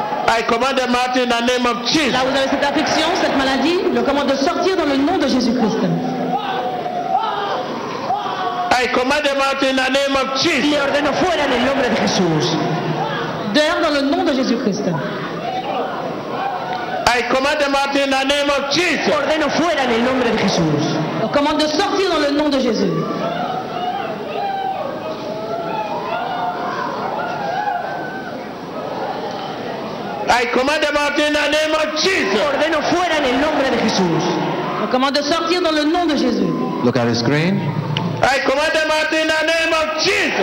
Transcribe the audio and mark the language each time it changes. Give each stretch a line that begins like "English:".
English: I command them out in the name of Jesus.
French: Là où vous avez cette affliction, cette maladie, le commande de sortir dans le nom de Jésus Christ.
English: I command them out in the name of Jesus.
Spanish: Le ordeno fuera en el nombre de Jesús.
French: Dehors dans le nom de Jésus Christ.
English: I command them out in the name of Jesus.
Spanish: Ordeno fuera en el nombre de Jesús.
French: Je commande de sortir dans le nom de Jésus.
English: I command them out in the name of Jesus.
Spanish: Ordeno fuera en el nombre de Jesús.
French: Je commande de sortir dans le nom de Jésus.
English: Look at the screen. I command them out in the name of Jesus.